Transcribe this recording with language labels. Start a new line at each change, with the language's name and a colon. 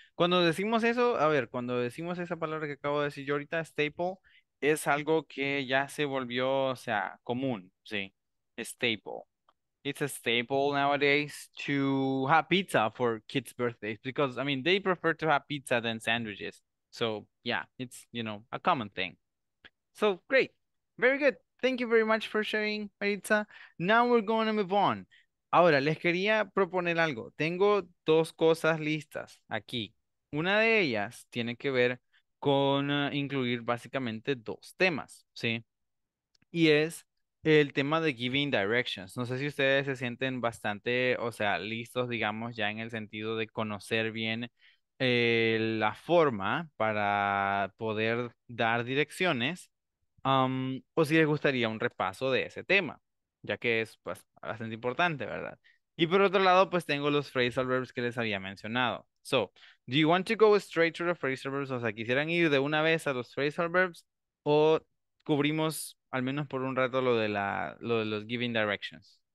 Spanish: Cuando decimos eso, a ver, cuando decimos esa palabra que acabo de decir yo ahorita, staple, es algo que ya se volvió, o sea, común, sí.
English: Staple. It's a staple nowadays to have pizza for kids' birthdays because, I mean, they prefer to have pizza than sandwiches. So, yeah, it's, you know, a common thing. So, great. Very good. Thank you very much for sharing, Maritza. Now we're going to move on.
Spanish: Ahora, les quería proponer algo. Tengo dos cosas listas aquí. Una de ellas tiene que ver con incluir básicamente dos temas, ¿sí? Y es el tema de giving directions. No sé si ustedes se sienten bastante, o sea, listos, digamos, ya en el sentido de conocer bien la forma para poder dar direcciones, o si les gustaría un repaso de ese tema, ya que es, pues, bastante importante, ¿verdad? Y por otro lado, pues, tengo los phrasal verbs que les había mencionado.
English: So, do you want to go straight to the phrasal verbs?
Spanish: O sea, ¿quisieran ir de una vez a los phrasal verbs? ¿O cubrimos, al menos por un rato, lo de los giving directions?